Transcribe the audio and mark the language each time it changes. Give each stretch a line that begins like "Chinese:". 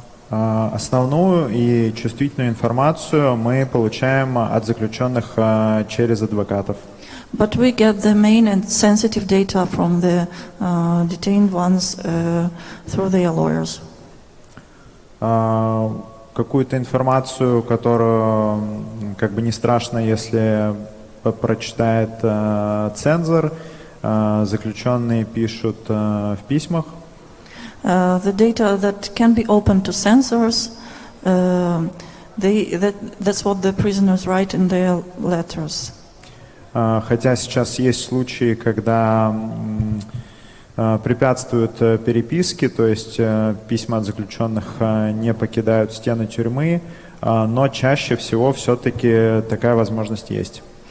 Russian: Основную и чувствительную информацию мы получаем от заключенных через адвокатов.
English: But we get the main and sensitive data from the detained ones through their lawyers.
Russian: Какую-то информацию, которую как бы не страшно, если прочитает цензор, заключенные пишут в письмах.
English: The data that can be open to censors, that's what the prisoners write in their letters.
Russian: Хотя сейчас есть случаи, когда препятствуют переписке, то есть письма от заключенных не покидают стены тюрьмы, но чаще всего все-таки такая возможность есть.